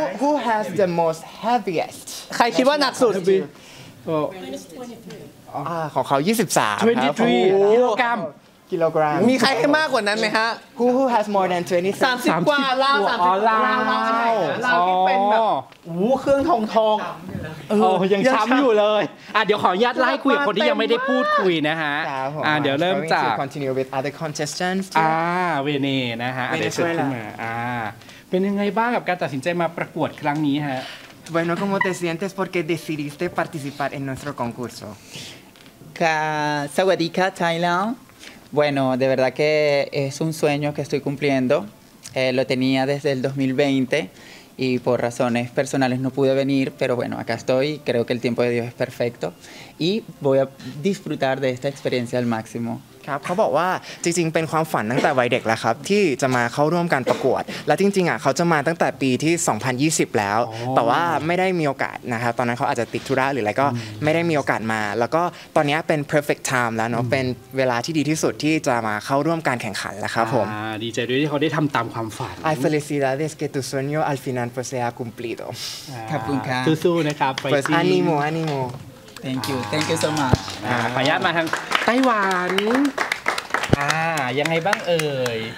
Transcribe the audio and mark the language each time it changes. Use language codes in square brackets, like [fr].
[en] Who has the most heaviest [th] ใครคิดว่าหนักสุด ของเขา23 23กิโลกรัม กิโลกรัม มีใครให้มากกว่านั้นไหมฮะ [en] Who has more than 23 [th] 30กว่าล่าสามสิบกว่าล่าที่เป็นแบบเครื่องทองทอง ยังช้ำอยู่เลยเดี๋ยวขออนุญาตไล่คุยกับคนที่ยังไม่ได้พูดคุยนะฮะเดี๋ยวเริ่มจาก [en] continue with other contestants [th] เวเน่นะฮะเดี๋ยวเชิญขึ้นมาเป็นยังไงบ้างกับการตัดสินใจมาประกวดครั้งนี้ฮะ [es] Bueno, ¿cómo te sientes porque decidiste participar en nuestro concurso? [th] สวัสดีค่ะไทยแลนด์ [es] Bueno, de verdad que es un sueño que estoy cumpliendo lo tenía desde el 2020y por razones personales no pude venir pero bueno acá estoy creo que el tiempo de Dios es perfecto y voy a disfrutar de esta experiencia al máximo [th] ครับเขาบอกว่าจริงๆเป็นความฝันตั้งแต่วัยเด็กแล้วครับที่จะมาเข้าร่วมการประกวดและจริงๆอ่ะเขาจะมาตั้งแต่ปีที่2020แล้วแต่ว่าไม่ได้มีโอกาสนะครับตอนนั้นเขาอาจจะติดธุระหรืออะไรก็ไม่ได้มีโอกาสมาแล้วก็ตอนนี้เป็น [en] perfect time [th] แล้วเนาะเป็นเวลาที่ดีที่สุดที่จะมาเข้าร่วมการแข่งขันแล้วครับผม ดีใจด้วยที่เขาได้ทำตามความฝัน [es] Ay felicidades que tu sueño al final pues se ha cumplido [th] ขอบคุณครับ สู้ๆนะครับ [es] pues ánimo ánimo [en] Thank you so much. [th] ขออนุญาตมาทางไต้หวันยังไงบ้างเอ่ย